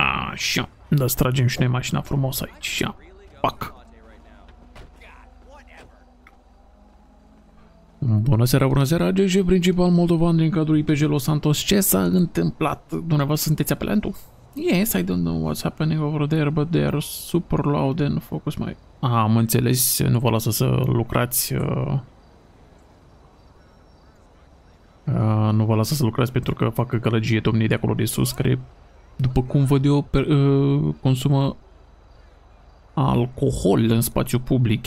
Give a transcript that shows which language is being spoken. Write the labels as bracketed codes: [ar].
[ro] Așa, da, stragem și noi mașina frumos aici. Așa, pac. Bună seara, AGJ principal moldovan din cadrul IPJ Los Santos. Ce s-a întâmplat? Dumneavoastră sunteți apelantul? [en] Yes, I don't know what's happening over there, but they are super loud and focus my... [ro] am înțeles, nu vă lasă să lucrați... nu vă lasă să lucrați pentru că facă gălăgie domnii de acolo de sus, care, după cum văd eu, consumă alcool în spațiu public.